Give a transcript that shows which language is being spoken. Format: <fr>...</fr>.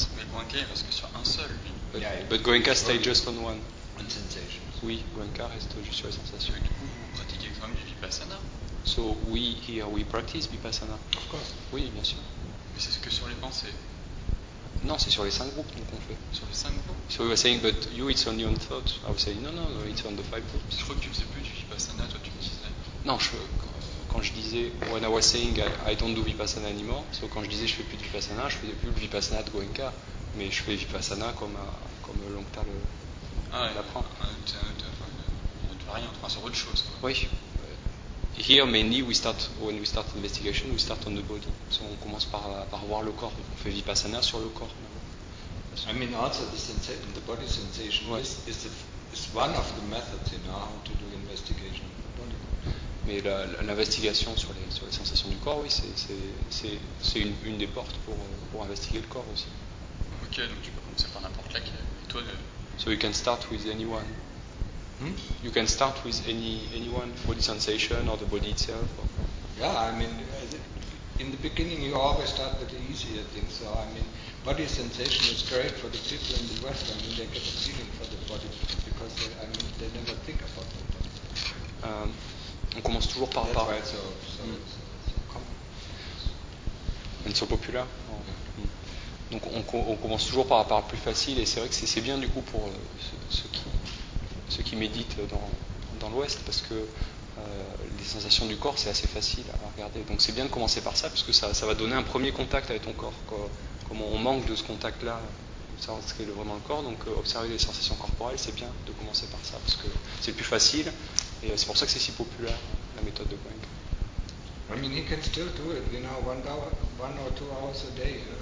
<fr>Mais Goenka, il reste que sur un seul, lui.</fr> <en>But Goenka stays just on one. On sensations.</en> <fr>Oui, Goenka reste juste sur les sensations. Mais du coup, vous pratiquez quand même du Vipassana.</fr> <en>So, we here, we practice Vipassana. Of course.</en> <fr>Oui, bien sûr. Mais c'est que sur les pensées. Non, c'est sur les cinq groupes qu'on fait. Sur les cinq groupes.</fr> <en>So you were saying, but you, it's only on thoughts. I was saying, no, it's on the five groups.</en> <fr>Je crois que tu ne faisais plus du Vipassana, toi tu me disais. Non, quand je disais,</fr> <en>when I was saying, I don't do Vipassana anymore,</en> <fr>so quand je disais, je ne fais plus du Vipassana, je ne faisais plus le Vipassana de Goenka, mais je fais Vipassana comme Longta l'apprend. Ah ouais, une autre variante, enfin sur autre chose. Oui.</fr> <en>Here mainly we start when we start investigation we start on the body.</en> <fr>So on commence par voir le corps. On fait Vipassana sur le corps.</fr> <en>I mean also the body sensation is one of the methods in how to do investigation of the body.</en> <fr>Mais l'investigation sur les sensations du corps, oui, c'est une des portes pour investiguer le corps aussi. Ok, donc tu peux commencer par n'importe laquelle.</fr> <en>So you can start with anyone. You can start with anyone, body sensation or the body itself. Or? Yeah, I mean, in the beginning you always start with the easier things. So I mean, body sensation is great for the people in the West. I mean, they get a feeling for the body because they, I mean, they never think about the body.</en> <fr>On commence toujours par</fr> <en>That's why it's so common. And so popular.</en> <fr>Donc on commence toujours par la plus facile, et c'est vrai que c'est bien du coup pour ceux qui méditent dans l'Ouest, parce que les sensations du corps c'est assez facile à regarder. Donc c'est bien de commencer par ça, puisque ça va donner un premier contact avec ton corps. Comment on manque de ce contact-là, savoir ce qu'est vraiment le corps, donc observer les sensations corporelles, c'est bien de commencer par ça, parce que c'est le plus facile, et c'est pour ça que c'est si populaire, la méthode de Goenka.</fr> <en>I mean, he can still do it, you know, one or two hours a day.</en>